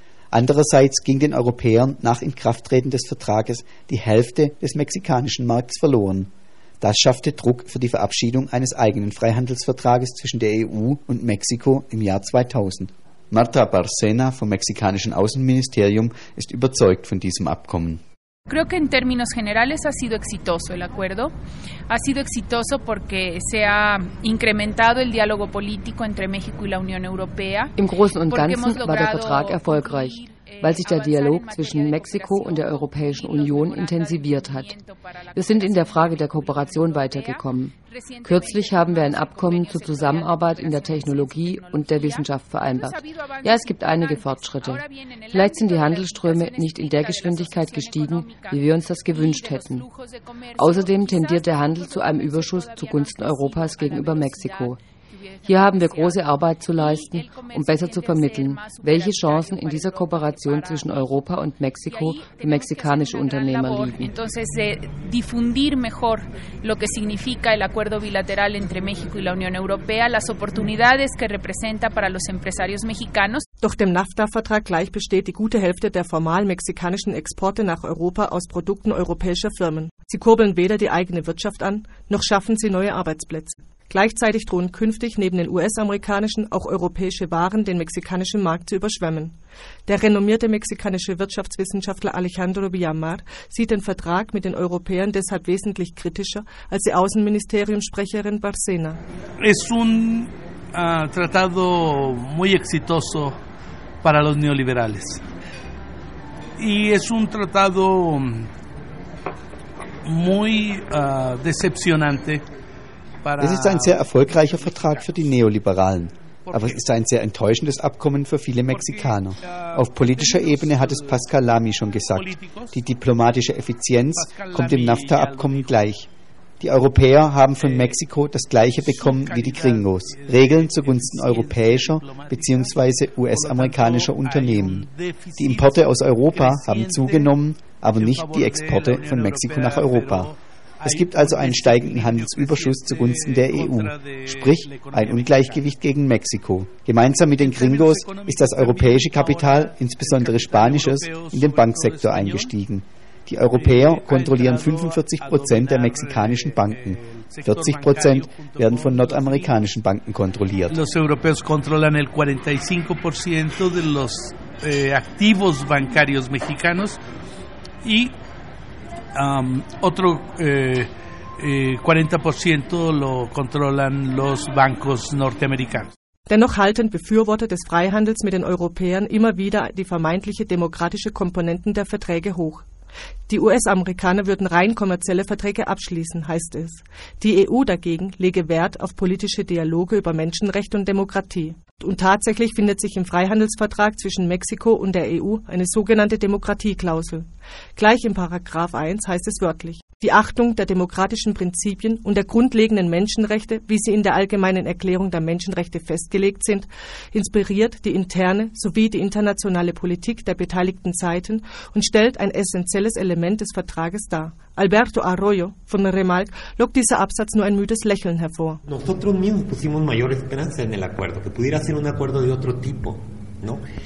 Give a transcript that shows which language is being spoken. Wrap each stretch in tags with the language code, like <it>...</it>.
<de>Andererseits ging den Europäern nach Inkrafttreten des Vertrages die Hälfte des mexikanischen Markts verloren. Das schaffte Druck für die Verabschiedung eines eigenen Freihandelsvertrages zwischen der EU und Mexiko im Jahr 2000. Marta Barcena vom mexikanischen Außenministerium ist überzeugt von diesem Abkommen.</de> <es>Creo que en términos generales ha sido exitoso el acuerdo. Ha sido exitoso porque se ha incrementado el diálogo político entre México y la Unión Europea.</es> <de>Im Großen und Ganzen war der Vertrag erfolgreich, weil sich der Dialog zwischen Mexiko und der Europäischen Union intensiviert hat. Wir sind in der Frage der Kooperation weitergekommen. Kürzlich haben wir ein Abkommen zur Zusammenarbeit in der Technologie und der Wissenschaft vereinbart. Ja, es gibt einige Fortschritte. Vielleicht sind die Handelsströme nicht in der Geschwindigkeit gestiegen, wie wir uns das gewünscht hätten. Außerdem tendiert der Handel zu einem Überschuss zugunsten Europas gegenüber Mexiko. Hier haben wir große Arbeit zu leisten, um besser zu vermitteln, welche Chancen in dieser Kooperation zwischen Europa und Mexiko für mexikanische Unternehmer liegen.</de> <es>Entonces, difundir mejor lo que significa el acuerdo bilateral entre México y la Unión Europea, las oportunidades que representa para los empresarios mexicanos.</es> <de>Doch dem NAFTA-Vertrag gleich besteht die gute Hälfte der formal mexikanischen Exporte nach Europa aus Produkten europäischer Firmen. Sie kurbeln weder die eigene Wirtschaft an, noch schaffen sie neue Arbeitsplätze. Gleichzeitig drohen künftig neben den US-amerikanischen auch europäische Waren den mexikanischen Markt zu überschwemmen. Der renommierte mexikanische Wirtschaftswissenschaftler Alejandro Villamar sieht den Vertrag mit den Europäern deshalb wesentlich kritischer als die Außenministeriumssprecherin Barcena.</de> <es>Es un tratado muy exitoso para los neoliberales. Y es un tratado muy decepcionante.</es> <de>Es ist ein sehr erfolgreicher Vertrag für die Neoliberalen, aber es ist ein sehr enttäuschendes Abkommen für viele Mexikaner. Auf politischer Ebene hat es Pascal Lamy schon gesagt, die diplomatische Effizienz kommt dem NAFTA-Abkommen gleich. Die Europäer haben von Mexiko das Gleiche bekommen wie die Gringos, Regeln zugunsten europäischer bzw. US-amerikanischer Unternehmen. Die Importe aus Europa haben zugenommen, aber nicht die Exporte von Mexiko nach Europa. Es gibt also einen steigenden Handelsüberschuss zugunsten der EU, sprich ein Ungleichgewicht gegen Mexiko. Gemeinsam mit den Gringos ist das europäische Kapital, insbesondere spanisches, in den Banksektor eingestiegen. Die Europäer kontrollieren 45% der mexikanischen Banken. 40% werden von nordamerikanischen Banken kontrolliert.</de> <es>Los europeos controlan el 45% de los activos bancarios mexicanos y otro 40% lo controlan los bancos norteamericanos.</es> <de>Dennoch halten Befürworter des Freihandels mit den Europäern immer wieder die vermeintliche demokratische Komponenten der Verträge hoch. Die US-Amerikaner würden rein kommerzielle Verträge abschließen, heißt es. Die EU dagegen lege Wert auf politische Dialoge über Menschenrecht und Demokratie. Und tatsächlich findet sich im Freihandelsvertrag zwischen Mexiko und der EU eine sogenannte Demokratieklausel. Gleich in Paragraph 1 heißt es wörtlich: Die Achtung der demokratischen Prinzipien und der grundlegenden Menschenrechte, wie sie in der Allgemeinen Erklärung der Menschenrechte festgelegt sind, inspiriert die interne sowie die internationale Politik der beteiligten Seiten und stellt ein essentielles Element des Vertrages dar. Alberto Arroyo von Remalc lockt dieser Absatz nur ein müdes Lächeln hervor.</de> <es>Nosotros mismos pusimos mayor esperanza en el acuerdo, que pudiera ser un acuerdo de otro tipo, ¿no?</es>